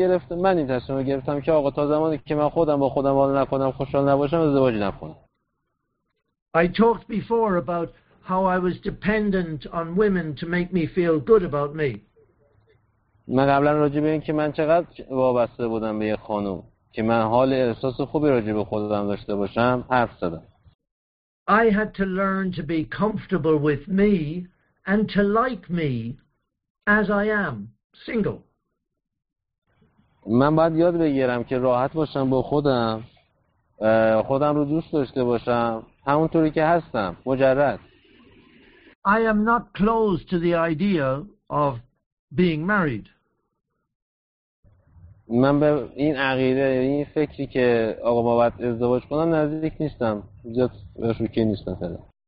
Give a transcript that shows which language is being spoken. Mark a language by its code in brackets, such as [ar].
[fa] من این تصمیم رو گرفتم که آقا تا زمانی که من خودم با خودم حال نکنم خوشحال نباشم ازدواج نکنم. [en] I talked before about how I was dependent on women to make me feel good about me. [fa] من قبلا راجع به این که من چقدر وابسته بودم به یه خانم که من حال احساس خوبی راجع به خودم داشته باشم حرف زدم. [en] I had to learn to be comfortable with me and to like me as I am, single. [fa] من باید یاد بگیرم که راحت باشم با خودم، خودم رو دوست داشته باشم همونطوری که هستم، مجرد. [en] I am not close to the idea of being married. [fa] من به این عقیده این فکری که آقا ما باید ازدواج کنم نزدیک نیستم. زیاد بهش روکی نیستم فعلا.